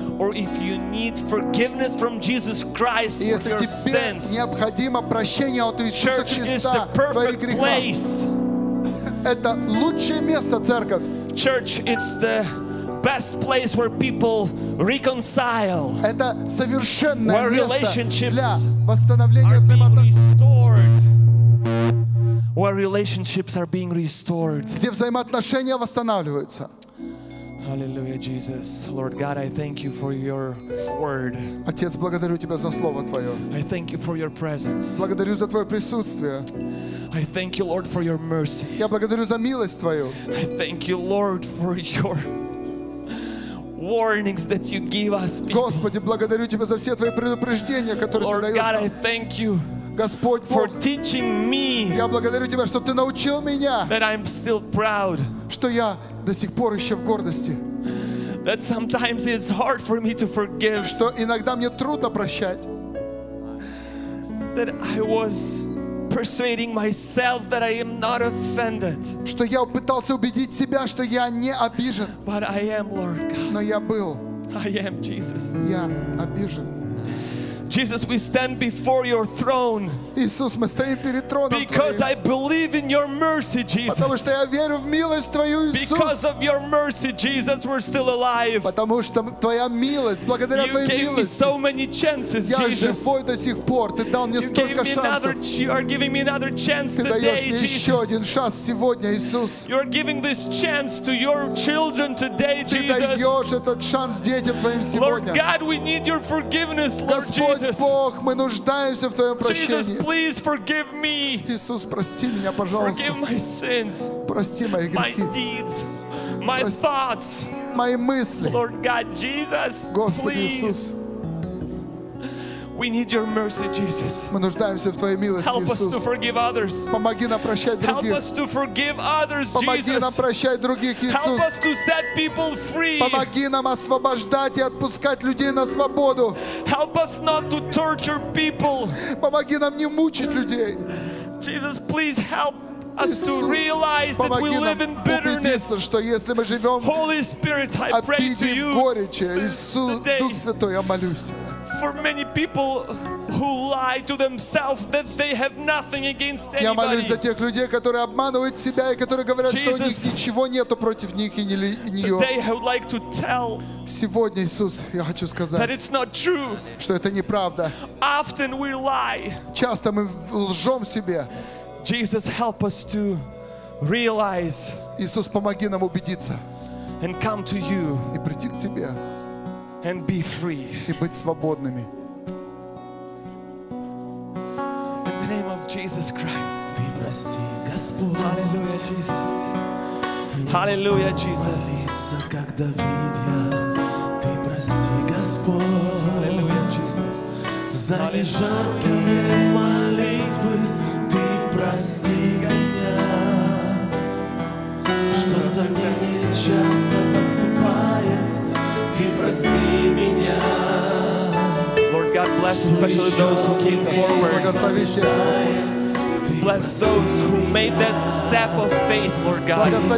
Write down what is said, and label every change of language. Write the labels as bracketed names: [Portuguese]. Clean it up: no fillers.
[English] Or if you need forgiveness from Jesus Christ for your sins. [Russian] Если тебе необходимо прощение от Иисуса Христа. [English] Church is the perfect place. [Russian] Это лучшее место, церковь. [English] Church, it's the best place where people reconcile. [Russian] Это совершенное [English] where [Russian] место для восстановления взаимоотношений. [English] Where relationships are being restored. [Russian] Где взаимоотношения восстанавливаются. [English] Hallelujah, Jesus. Lord God, I thank you for your word. [Russian] Отец, благодарю тебя за слово твое. [English] I thank you for your presence. [Russian] Благодарю за твое присутствие. [English] I thank you, Lord, for your mercy. [Russian] Я благодарю за милость твою. [English] I thank you, Lord, for your warnings that you give us. People. [Russian] Господи, благодарю тебя за все твои предупреждения, которые [English] Lord [Russian] ты даешь. [English] Lord God, I thank you. [Russian] Господь, [English] for teaching me. [Russian] Я благодарю тебя, что ты научил меня. [English] That I'm still proud. [Russian] Что я до сих пор еще в гордости. [English] That sometimes it's hard for me to forgive. [Russian] Что иногда мне трудно прощать. [English] That I was persuading myself that I am not offended. [Russian] Что я пытался убедить себя, что я не обижен. [English] But I am, Lord God. [Russian] Но я был. [English] I am, Jesus. [Russian] Я обижен. [English] Jesus, we stand before your throne. [Russian] Иисус, мы стоим перед троном. [English] Because I believe in your mercy, Jesus. [Russian] Потому что я верю в милость твою, Иисус. [English] Because of your mercy, Jesus, we're still alive. [Russian] Потому что твоя милость, благодаря твоей милости. [English] You gave me so many chances, [Russian] я [English] Jesus. [Russian] Я живой до сих пор. Ты дал мне столько шансов. [English] You are giving me another chance today, Jesus. [Russian] Ты даешь мне еще один шанс сегодня, Иисус. [English] You are giving this chance to your children today, Jesus. [Russian] Ты даешь этот шанс детям твоим сегодня. [English] Lord God, we need your forgiveness, Lord Jesus. [Russian] Господь Бог, мы нуждаемся в твоем прощении. [English] Jesus, please forgive me. [Russian] Иисус, прости меня, пожалуйста. [English] Forgive my sins. [Russian] Прости мои грехи. [English] My deeds. My thoughts. [Russian] Мои мысли. [English] Lord God, Jesus, [Russian] Господи Иисус. [English] We need your mercy, Jesus. [Russian] Мы нуждаемся в твоей милости, [English] Help [Russian] Иисус. [English] Us to forgive others. [Russian] Помоги нам прощать других. [English] Help us to forgive others, Jesus. [Russian] Помоги нам прощать других, Иисус. [English] Help us to set people free. [Russian] Помоги нам освобождать и отпускать людей на свободу. [English] Help us not to torture people. [Russian] Помоги нам не мучить людей. [English] Jesus, please help us to realize that we live in bitterness. [Russian] Помоги нам убедиться, что если мы [English] Holy Spirit, I pray to you [Russian] горечи, Иисус, [English] today. [Russian] Дух Святой, я молюсь. [English] For many people who lie to themselves that they have nothing against anybody. [Russian] Я молюсь за тех людей, которые обманывают себя и которые говорят, [English] Jesus, [Russian] что у них ничего нету против них и нее. [English] Today I would like to tell. [Russian] Сегодня, Иисус, я хочу сказать, [English] that it's not true. [Russian] Что это неправда. [English] Often we lie. [Russian] Часто мы лжем себе. [English] Jesus, help us to realize. [Russian] Иисус, помоги нам убедиться. [English] And come to you. [Russian] И прийти к тебе. [English] And be free. [Russian] И быть свободными. [English] In the name of Jesus Christ. [Russian] Ты прости, Господь. [English] Hallelujah, Jesus. Hallelujah, Jesus. [Russian] Молиться, как Давид я. Ты прости, Господь. [English] Hallelujah, Jesus. [Russian] За лежанкие молитвы ты прости меня. Что сомнение часто поступает. [English] Lord God, bless especially those who came forward. Bless those who made that step of faith, Lord God.